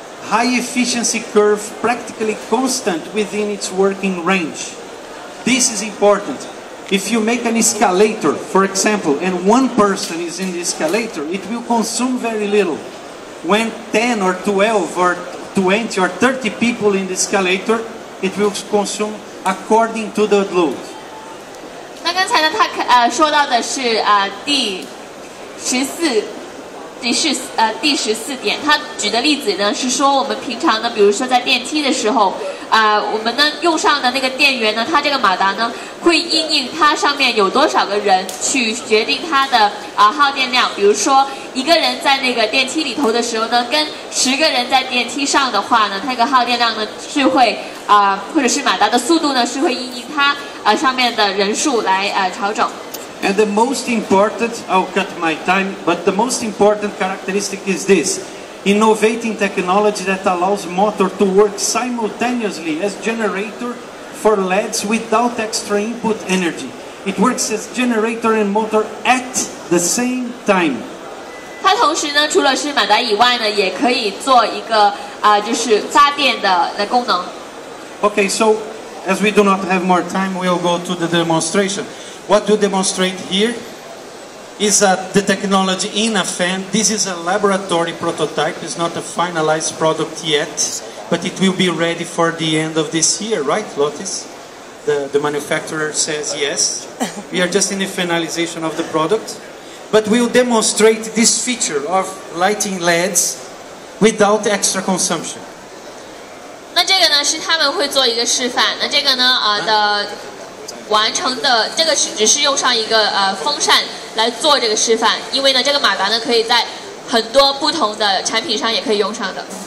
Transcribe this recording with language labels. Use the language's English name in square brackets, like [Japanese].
[English] High efficiency curve practically constant within its working range. This is important. If you make an escalator, for example, and one person is in the escalator, it will consume very little. When 10 or 12 or 20 or 30 people in the escalator, it will consume according to the load. [Chinese] 那刚才呢，他说到的是第十四点，他举的例子呢是说我们平常呢，比如说在电梯的时候，我们呢用上的那个电源呢，它这个马达呢会因应它上面有多少个人去决定它的耗电量。比如说一个人在那个电梯里头的时候呢，跟十个人在电梯上的话呢，那个耗电量呢是会或者是马达的速度呢是会因应它上面的人数来调整。 [English] And the most important, I'll cut my time, but the most important characteristic is this. Innovating technology that allows motor to work simultaneously as generator for LEDs without extra input energy. It works as generator and motor at the same time. [Chinese] 它同时呢，除了是马达以外呢，也可以做一个就是发电的功能。 [English] Okay, so as we do not have more time, we'll go to the demonstration. What we demonstrate here is the technology in a fan. This is a laboratory prototype. It's not a finalized product yet, but it will be ready for the end of this year, right, Lotus? The manufacturer says yes. We are just in the finalization of the product. But we'll demonstrate this feature of lighting LEDs without extra consumption. [Chinese] 那这个呢，是他们会做一个示范。那这个呢，的完成的这个只是用上一个风扇来做这个示范，因为呢这个马达呢可以在很多不同的产品上也可以用上的。